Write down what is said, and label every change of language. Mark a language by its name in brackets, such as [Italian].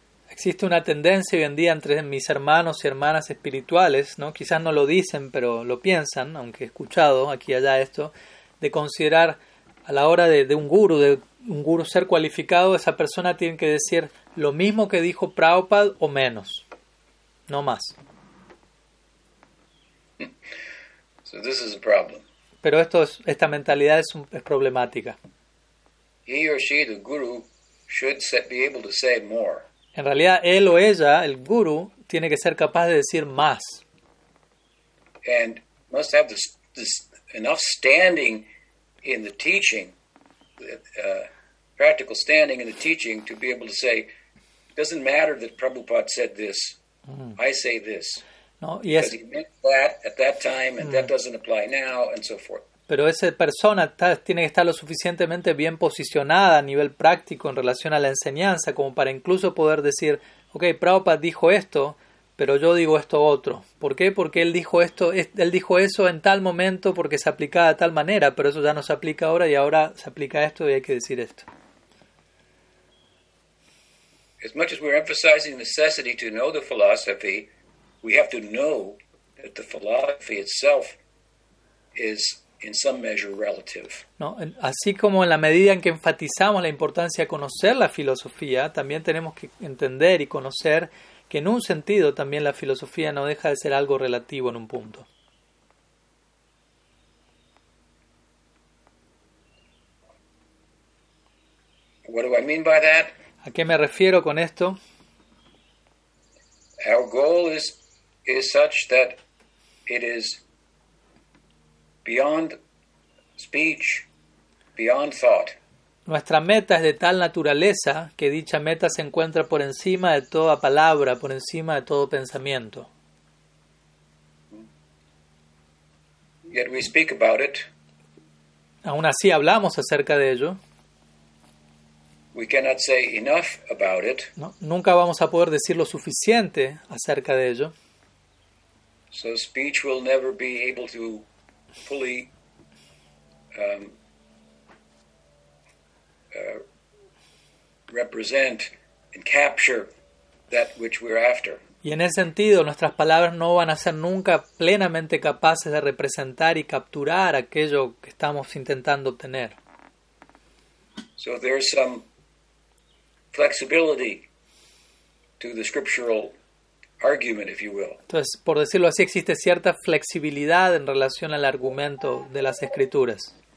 [Spanish] Existe una tendencia hoy en día entre mis hermanos y hermanas espirituales, ¿no? Quizás no lo dicen, pero lo piensan, aunque he escuchado aquí y allá esto, de considerar a la hora de un guru ser cualificado, esa persona tiene que decir lo mismo que dijo Prabhupada o menos, no más. [English] So this is a problem. [Spanish] Pero esta mentalidad es problemática. [English] He or she, the guru, should be able to say more. [Spanish] En realidad, él o ella, el guru, tiene que ser capaz de decir más. [English] And must have this enough standing in the teaching that, practical standing in the teaching to be able to say, it doesn't matter that Prabhupada said this, I say this. No, yes. Because he meant that at that time, and that doesn't apply now, and so forth. [Spanish] Pero esa persona tiene que estar lo suficientemente bien posicionada a nivel práctico en relación a la enseñanza como para incluso poder decir, ok, Prabhupada dijo esto, pero yo digo esto otro. ¿Por qué? Porque él dijo esto, él dijo eso en tal momento porque se aplicaba de tal manera, pero eso ya no se aplica ahora y ahora se aplica esto y hay que decir esto. [English] As much as we're emphasizing the necessity to know the philosophy, we have to know that the philosophy itself is in some measure relative. [Spanish] No, así como en la medida en que enfatizamos la importancia de conocer la filosofía, también tenemos que entender y conocer que en un sentido también la filosofía no deja de ser algo relativo en un punto. [English] What do I mean by that? [Spanish] ¿A qué me refiero con esto? [English] Our goal is such that it is beyond speech, beyond thought. [Spanish] Nuestra meta es de tal naturaleza que dicha meta se encuentra por encima de toda palabra, por encima de todo pensamiento. [English] Yet we speak about it. [Spanish] Aún así hablamos acerca de ello. [English] We cannot say enough about it. [Spanish] No, nunca vamos a poder decir lo suficiente acerca de ello. [English] So speech will never be able to fully represent and capture that which we're after. [Spanish] Y en ese sentido, nuestras palabras no van a ser nunca plenamente capaces de representar y capturar aquello que estamos intentando obtener. [English] So there's some flexibility to the scriptural argument, if you will. [Spanish] Entonces, por decirlo así, existe cierta flexibilidad en relación al argumento de las escrituras.